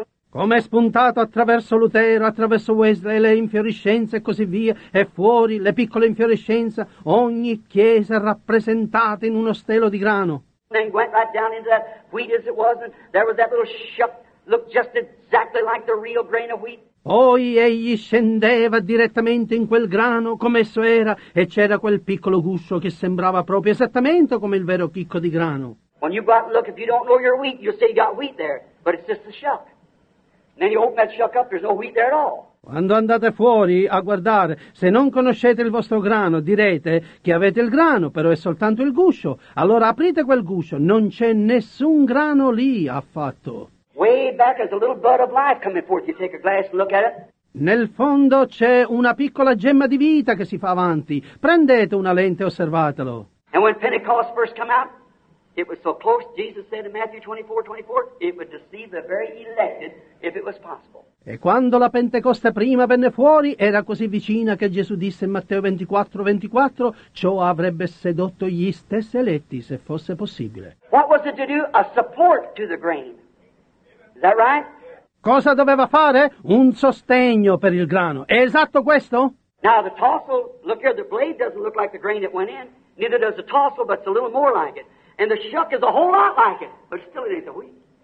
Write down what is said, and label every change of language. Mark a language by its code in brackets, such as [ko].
[it] Come è spuntato attraverso Lutero, attraverso Wesley, le infiorescenze e così via, e fuori le piccole infiorescenze, ogni chiesa rappresentata in uno stelo di grano. [en] Then went right down into that wheat as it was, and there was that little shuck, looked just exactly like the real grain of wheat. [it] Poi egli scendeva direttamente in quel grano come esso era e c'era quel piccolo guscio che sembrava proprio esattamente come il vero chicco di grano. [en] When you go out and look, if you don't know your wheat, you'll say you got wheat there, but it's just a shuck. And then you open that shuck up, there's no wheat there at all. [it] Quando andate fuori a guardare, se non conoscete il vostro grano, direte che avete il grano, però è soltanto il guscio. Allora aprite quel guscio, non c'è nessun grano lì affatto. [en] Way back is a little bud of life coming forth. You take a glass and look at it. [it] Nel fondo c'è una piccola gemma di vita che si fa avanti. Prendete una lente e osservatelo. [en] And when Pentecost first came out, it was so close, Jesus said in Matthew 24:24, it would deceive the very elected if it was possible. [it] E quando la Pentecoste prima venne fuori, era così vicina che Gesù disse in Matteo 24:24, ciò avrebbe sedotto gli stessi eletti se fosse possibile. [en] What was it to do? A support to the grain. Is that right? [it] Cosa doveva fare? Un sostegno per il grano. È esatto questo? [en] Now the tassel, look here, the blade doesn't look like the grain that went in. Neither does the tassel, but it's a little more like it. And the shuck is a whole lot like it, but still it ain't the wheat.